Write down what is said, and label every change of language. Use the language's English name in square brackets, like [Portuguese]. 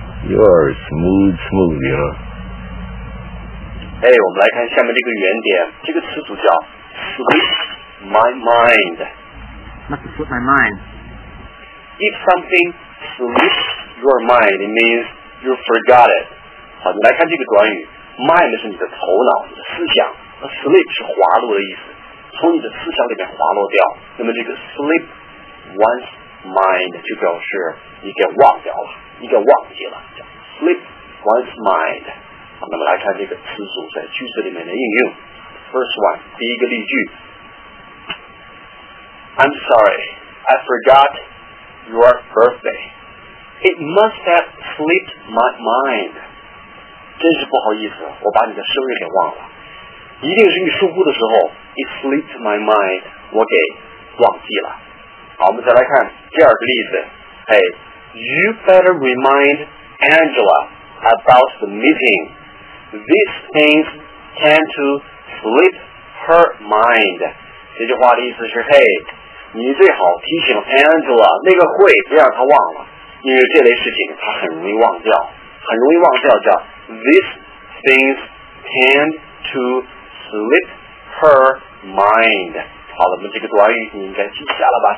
[English] You are smooth, you know. [Chinese] Hey, 我们来看下面这个原点，这个词组叫 slip my mind. [English] Must have slipped my mind. If something slips your mind, it means you forgot it. [Chinese] 好，我们来看这个短语 ，mind 是你的头脑，你的思想。那 slip 是滑落的意思，从你的思想里面滑落掉。那么这个 slip one's mind 就表示你给忘掉了，你给忘记了，叫 slip one's mind。好，那么来看这个词组在句子里面的应用。 [English] First one， [Chinese] 第一个例句。 [English] I'm sorry, I forgot your birthday. It must have slipped my mind. [Chinese] 真是不好意思，我把你的生日给忘了。一定是你疏忽的时候 ， [English] it slipped my mind， [Chinese] 我给忘记了。好，我们再来看第二个例子。 [English] Hey, you better remind Angela about the meeting. These things tend to slip her mind. [Chinese] 这句话的意思是，嘿，你最好提醒 Angela 那个会，别让她忘了，因为这类事情她很容易忘掉，很容易忘掉。 [English] 叫 These things tend to slip her mind. [Chinese] 好了，我们这个短语你应该记下了吧？